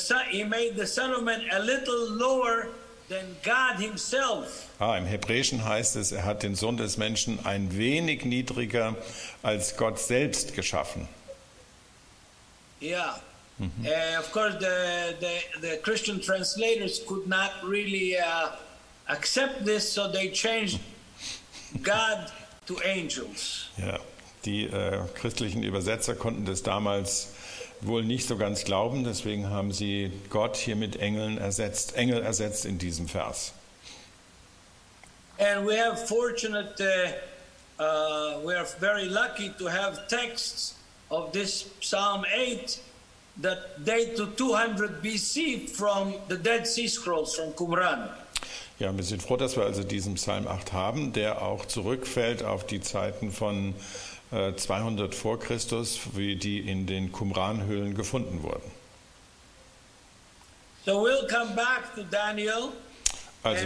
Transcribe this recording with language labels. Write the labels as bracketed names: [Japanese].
[English] He made the son of man a little lower than God himself. [German] Ah, im Hebräischen heißt es, er hat den Sohn des Menschen ein wenig niedriger als Gott selbst geschaffen. [English] Yeah. Mhm. Of course, the Christian translators could not really accept this, so they changed God to angels. [German] Ja, die christlichen Übersetzer konnten das damals wohl nicht so ganz glauben, deswegen haben sie Gott hier mit Engel ersetzt in diesem Vers. [English] And we have fortunate, we are very lucky to have texts of this Psalm 8 that date to 200 BC from the Dead Sea Scrolls from Qumran. [German] Ja, wir sind froh, dass wir also diesen Psalm 8 haben, der auch zurückfällt auf die Zeiten von 200 vor Christus, wie die in den Qumran-Höhlen gefunden wurden. [English] So we'll come back to Daniel. [German] Also